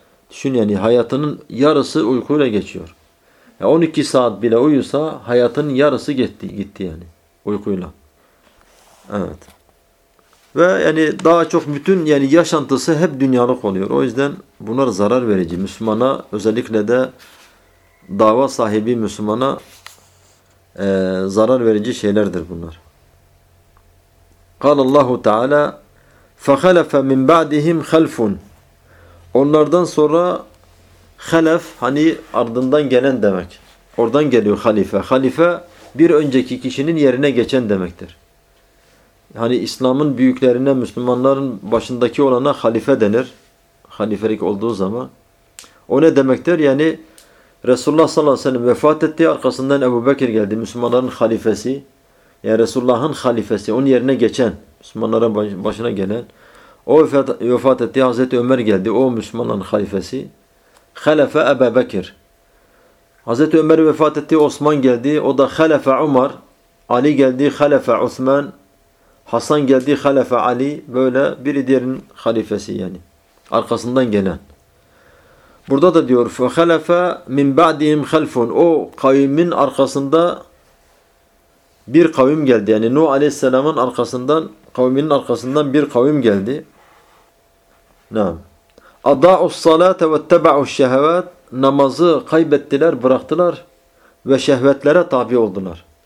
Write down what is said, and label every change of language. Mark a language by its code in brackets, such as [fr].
[tr] Düşün yani hayatının yarısı uykuyla geçiyor. Ya 12 saat bile uyusa hayatının yarısı gitti yani uykuyla. Evet. Ve yani daha çok bütün yani yaşantısı hep dünyalık oluyor. O yüzden bunlar zarar verici. Müslümana özellikle de dava sahibi Müslümana zarar verici şeylerdir bunlar. [ar] قال الله تعالى فخلف من بعدهم خلف. [tr] Onlardan sonra خلف hani ardından gelen demek. Oradan geliyor halife. Halife bir önceki kişinin yerine geçen demektir. Hani İslam'ın büyüklerine, Müslümanların başındaki olana halife denir. Halifelik olduğu zaman. O ne demektir? Yani Resulullah sallallahu aleyhi ve sellem vefat etti. Arkasından Ebu Bekir geldi. Müslümanların halifesi. Yani Resulullah'ın halifesi. Onun yerine geçen. Müslümanların başına gelen. O vefat etti. Hazreti Ömer geldi. O Müslümanların halifesi. Halefe Ebu Bekir. Hazreti Ömer vefat etti. Osman geldi. O da halefe Umar. Ali geldi. Halefe Osman. Hasan geldi, halife Ali, böyle biri diğerinin halifesi yani. Arkasından gelen. Burada da diyor, [ar] فَخَلَفَ مِنْ بَعْدِهِمْ خَلْفٌ. [tr] O kavimin arkasında bir kavim geldi. Yani Nuh Aleyhisselam'ın arkasından, kavminin arkasından bir kavim geldi. [ar] Naam. اَضَاءُ الصَّلَاةَ وَاتَّبَعُ الشَّهَوَاتِ. [tr] Namazı kaybettiler, bıraktılar ve şehvetlere tabi oldular.